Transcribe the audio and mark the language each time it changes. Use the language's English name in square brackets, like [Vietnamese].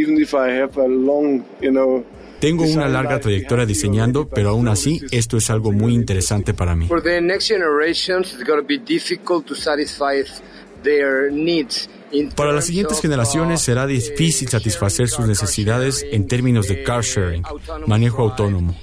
[Spanish] Tengo una larga trayectoria diseñando, pero aún así, esto es algo muy interesante para mí. [English] For the next generations, it's going to be difficult to satisfy their needs. [Spanish] Para las siguientes generaciones será difícil satisfacer sus necesidades en términos de car sharing, manejo autónomo.